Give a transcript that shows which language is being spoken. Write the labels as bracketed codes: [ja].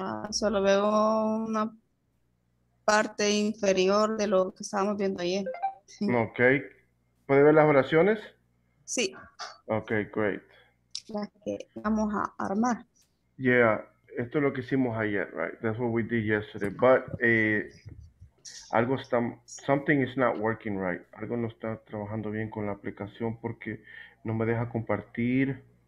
[es] Solo veo una parte inferior de lo que estábamos viendo ayer. Ok. ¿Puede ver las oraciones? Sí. [en] Ok, great. [es] Las que vamos a armar. Yeah, esto es lo que hicimos ayer, right? [en] That's what we did yesterday. But [es] algo está, [en] something is not working right. [es] Algo no está trabajando bien con la aplicación porque no me deja compartir.